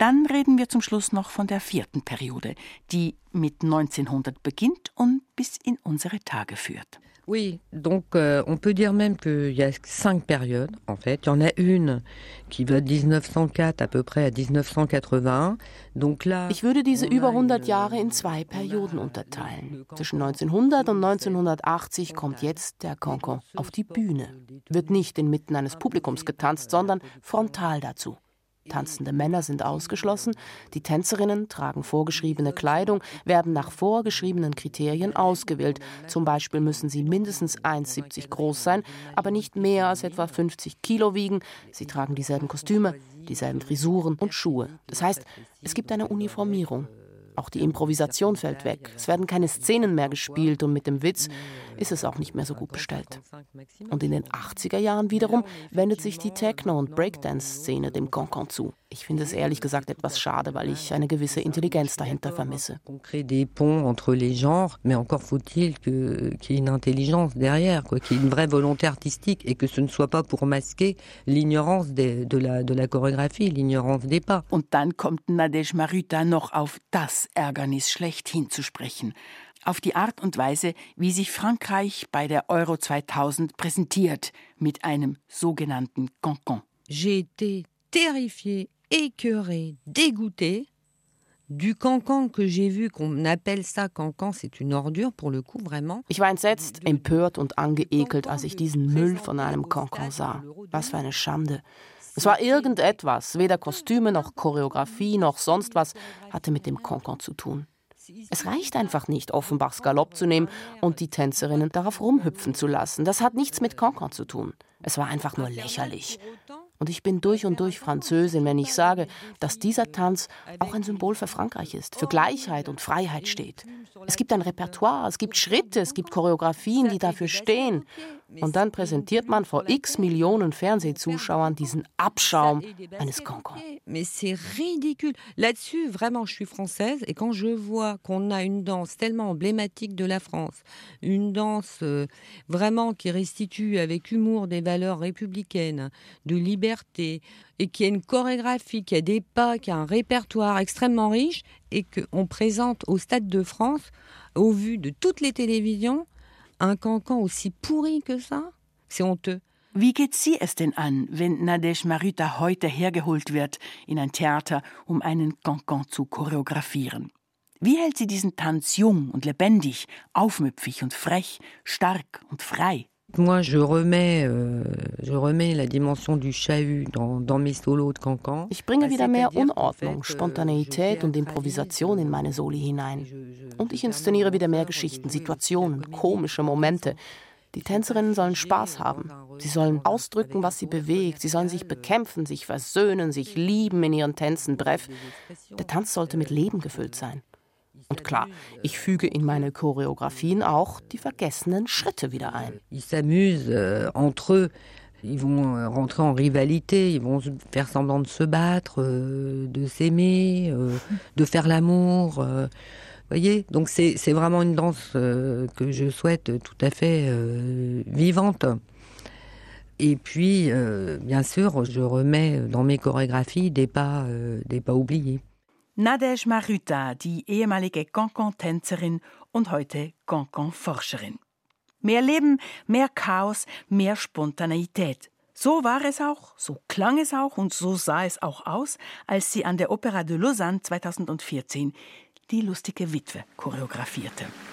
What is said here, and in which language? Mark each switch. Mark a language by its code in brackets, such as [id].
[de] reden wir zum Schluss noch von der vierten Periode, die mit 1900 beginnt und bis in unsere Tage führt. [fr] Oui, donc on peut dire même que il y a cinq périodes en fait. Il y en a une qui va de 1904 à peu près à 1980. Donc là, [de] ich würde diese über 100 Jahre in zwei Perioden unterteilen. Zwischen 1900 und 1980 kommt jetzt der Cancan auf die Bühne. Wird nicht inmitten eines Publikums getanzt, sondern frontal dazu. Tanzende Männer sind ausgeschlossen, die Tänzerinnen tragen vorgeschriebene Kleidung, werden nach vorgeschriebenen Kriterien ausgewählt. Zum Beispiel müssen sie mindestens 1,70 groß sein, aber nicht mehr als etwa 50 Kilo wiegen. Sie tragen dieselben Kostüme, dieselben Frisuren und Schuhe. Das heißt, es gibt eine Uniformierung. Auch die Improvisation fällt weg. Es werden keine Szenen mehr gespielt und mit dem Witz ist es auch nicht mehr so gut bestellt. Und in den 80er Jahren wiederum wendet sich die Techno- und Breakdance-Szene dem Cancan zu. Ich finde es ehrlich gesagt etwas schade, weil ich eine gewisse Intelligenz dahinter vermisse. [fr] On crée des ponts entre les genres, mais encore faut-il qu'il y ait une intelligence derrière, quoi, qu'il y ait une vraie volonté artistique et que ce ne soit pas pour masquer l'ignorance de la chorégraphie, l'ignorance des pas. [de] Und dann kommt Nadège Maruta noch auf das Ärgernis schlechthin zu sprechen. Auf die Art und Weise, wie sich Frankreich bei der Euro 2000 präsentiert mit einem sogenannten Cancan. [fr] J'ai été terrifiée, écœurée, dégoûtée du Cancan que j'ai vu, qu'on appelle ça Cancan, c'est une ordure pour le coup, vraiment. [de] Ich war entsetzt, empört und angeekelt, als ich diesen Müll von einem Cancan sah. Was für eine Schande. Es war irgendetwas, weder Kostüme noch Choreografie noch sonst was hatte mit dem Cancan zu tun. Es reicht einfach nicht, Offenbachs Galopp zu nehmen und die Tänzerinnen darauf rumhüpfen zu lassen. Das hat nichts mit Cancan zu tun. Es war einfach nur lächerlich. Und ich bin durch und durch Französin, wenn ich sage, dass dieser Tanz auch ein Symbol für Frankreich ist, für Gleichheit und Freiheit steht. Es gibt ein Repertoire, es gibt Schritte, es gibt Choreografien, die dafür stehen. Und dann präsentiert man vor x Millionen Fernsehzuschauern diesen Abschaum eines Cancans. [fr] Mais c'est ridicule. Là-dessus, vraiment, je suis française. Et quand je vois qu'on a une danse tellement emblématique de la France, une danse vraiment qui restitue avec humour des valeurs républicaines, de liberté, et qui a une chorégraphie, qui a des pas, qui a un répertoire extrêmement riche, et qu'on présente au Stade de France, au vu de toutes les télévisions, un cancan aussi pourri que ça, c'est honteux. [de] Wie geht sie es denn an, wenn Nadège Maruta heute hergeholt wird in ein Theater, um einen Cancan zu choreografieren? Wie hält sie diesen Tanz jung und lebendig, aufmüpfig und frech, stark und frei? [fr] Moi, je remets la dimension du chahut dans mes solos de cancan. [de] Ich bringe wieder mehr Unordnung, Spontaneität und Improvisation in meine Soli hinein. Und ich inszeniere wieder mehr Geschichten, Situationen, komische Momente. Die Tänzerinnen sollen Spaß haben. Sie sollen ausdrücken, was sie bewegt. Sie sollen sich bekämpfen, sich versöhnen, sich lieben in ihren Tänzen. Bref, der Tanz sollte mit Leben gefüllt sein. Und klar, ich füge in meine Choreografien auch die vergessenen Schritte wieder ein. [fr] Ils s'amusent entre eux, ils vont rentrer en rivalité, ils vont faire semblant de se battre, de s'aimer, de faire l'amour. Voyez, donc c'est vraiment une danse que je souhaite tout à fait vivante. Et puis bien sûr, je remets dans mes chorégraphies des pas oubliés. [de] Nadège Maruta, die ehemalige Cancan-Tänzerin und heute Cancan-Forscherin. Mehr Leben, mehr Chaos, mehr Spontaneität. So war es auch, so klang es auch und so sah es auch aus, als sie an der Opera de Lausanne 2014 die lustige Witwe choreografierte.